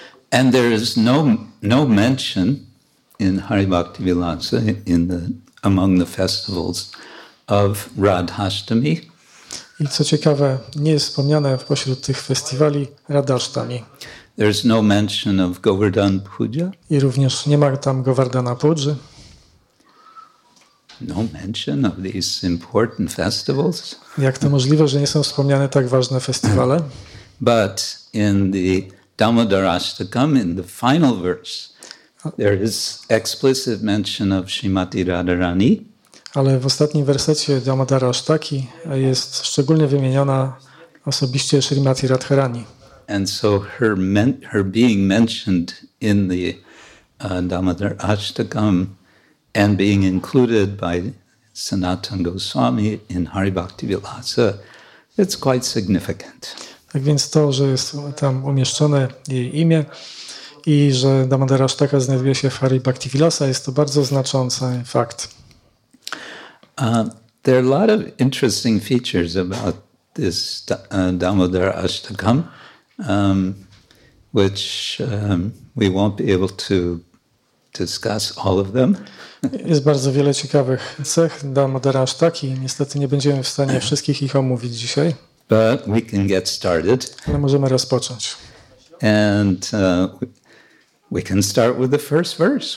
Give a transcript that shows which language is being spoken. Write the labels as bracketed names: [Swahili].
[English] And there is no mention in Hari Bhakti Vilasa in the among the festivals of Radhashtami. [Polish] I co ciekawe, nie jest wspomniane w pośród tych festiwali Radhashtami. [English] There's no mention of Govardhan Puja. [Polish] I również nie ma tam Govardhana Pudży. [English] No mention of these important festivals. [Polish] Jak to możliwe, że nie są wspomniane tak ważne festiwale? [English] But in the Damodara Ashtakam, in the final verse, there is explicit mention of Srimati Radharani. [Polish] Ale w ostatnim wersecie Damodara Ashtaki jest szczególnie wymieniona osobiście Srimati Radharani. [English] And so her being mentioned in the Damodara Ashtakam and being included by Sanatan Goswami in Hari Bhakti Vilasa, it's quite significant. [Polish] Tak więc to, że jest tam umieszczone jej imię i że Damodara Ashtaka znajduje się w Hari Bhakti Vilasa, jest to bardzo znaczący fakt. [English] There are a lot of interesting features about this Damodara Ashtakam. Which we won't be able to discuss all of them. [Polish] Jest bardzo wiele ciekawych cech Damodara Ashtaki. Niestety nie będziemy w stanie wszystkich ich omówić dzisiaj. [English] But we can get started. [Polish] Ale możemy rozpocząć. [English] And we can start with the first verse.